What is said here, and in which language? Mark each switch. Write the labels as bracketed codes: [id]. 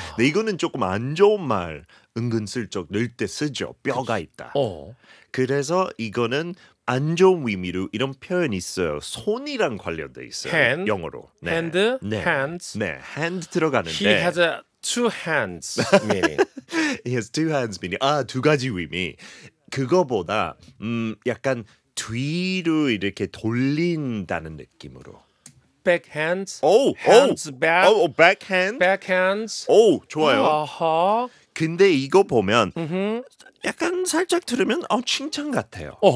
[ko] 근데 이거는 조금 안 좋은 말 은근슬쩍 넣을 때 쓰죠. 뼈가 있다. 그래서 이거는 안 좋은 의미로 이런 표현이 있어요. 손이랑 관련돼 있어요. [en] Hand, [ko] 영어로. 네. [en] Hand, 네. hands. [ko] 네, hand 들어가는데. [en] He has a two hands meaning. He has two hands meaning. [ko] 아, 두 가지 의미. 그거보다 약간 뒤로 이렇게 돌린다는 느낌으로. [en] Back hands. Oh, hands oh. back. Oh, oh, back hands. Back hands. [ko] Oh, 좋아요. Uh-huh. 근데 이거 보면 약간 살짝 들으면 칭찬 같아요.